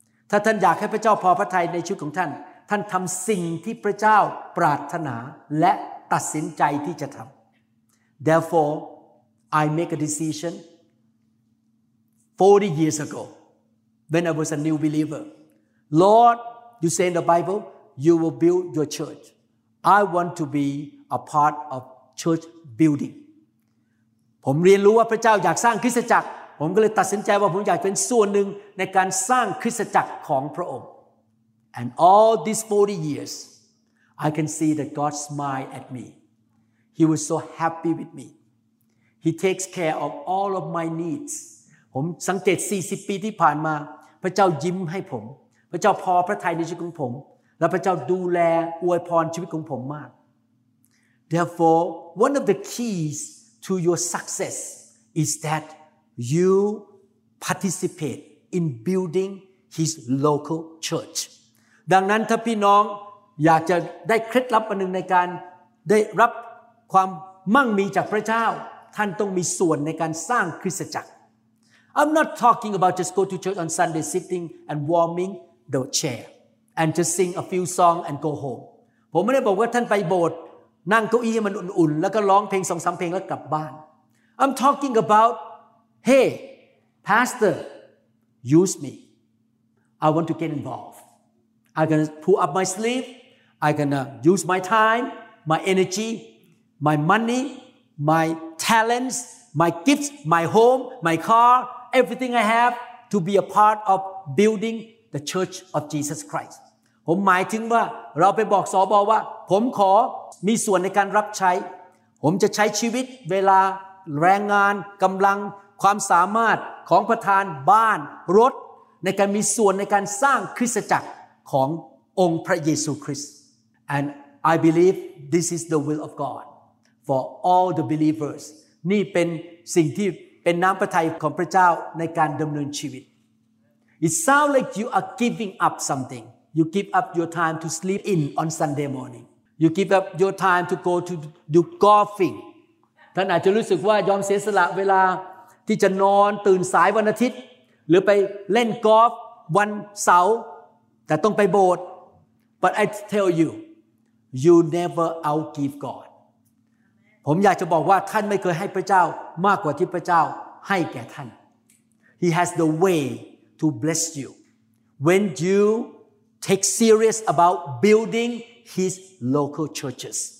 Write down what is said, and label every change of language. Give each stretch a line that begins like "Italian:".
Thai: ถ้าท่านอยากให้พระเจ้าพอพระทัยในชีวิตของท่านท่านทำสิ่งที่พระเจ้าปรารถนาและตัดสินใจที่จะทำ
English: Therefore I make a decision 40 years ago when I was a new believer Lord you say in the Bible you will build your church I want to be a part of church building
Thai: ผมเรียนรู้ว่าพระเจ้าอยากสร้างคริสตจักรผมก็เลยตัดสินใจว่าผมอยากเป็นส่วนหนึ่งในการสร้างคริสตจักรของพระองค์
English: And all these 40 years, I can see that God smiled at me. He was so happy with me. He takes care of all of my needs.
Thai: ผมสังเกต40ปีที่ผ่านมาพระเจ้ายิ้มให้ผมพระเจ้าพอพระทัยในชีวิตของผมและพระเจ้าดูแลอวยพรชีวิตของผมมาก
English: Therefore, one of the keys to your success is that you participate in building his local church.
Thai: ดังนั้นถ้าพี่น้องอยากจะได้เคล็ดลับอันหนึ่งในการได้รับความมั่งมีจากพระเจ้าท่านต้องมีส่วนในการสร้างคริสตจักร
English: I'm not talking about just go to church on Sunday sitting and warming the chair and just sing a few songs and go home
Thai: ผมไม่ได้บอกว่าท่านไปโบสถ์นั่งเก้าอี้ให้มันอุ่นๆแล้วก็ร้องเพลงสองสามเพลงแล้วกลับบ้าน
English: I'm talking about hey pastor use me I want to get involvedI'm gonna pull up my sleeve. I'm gonna use my time, my energy, my money, my talents, my gifts, my home, my car, everything I have to be a part of building the church of Jesus Christ
Thai: ผมหมายถึงว่าเราไปบอกสบว่าผมขอมีส่วนในการรับใช้ผมจะใช้ชีวิตเวลาแรงงานกำลังความสามารถของประธานบ้านรถในการมีส่วนในการสร้างคริสตจักรขององค์พระเยซูคริสต์
English: and I believe this is the will of God for all the believers
Thai: นี่เป็นสิ่งที่เป็นน้ำพระทัยของพระเจ้าในการดำเนินชีวิต
English: it sounds like you are giving up something you give up your time to sleep in on Sunday morning you give up your time to go to do golfing
Thai: ท่านอาจจะรู้สึกว่ายอมเสียสละเวลาที่จะนอนตื่นสายวันอาทิตย์หรือไปเล่นกอล์ฟวันเสาร์แต่ต้องไปโบสถ์
English: but I tell you you never outgive God
Thai: ผมอยากจะบอกว่าท่านไม่เคยให้พระเจ้ามากกว่าที่พระเจ้าให้แก่ท่าน
English: He has the way to bless you when you take serious about building his local churches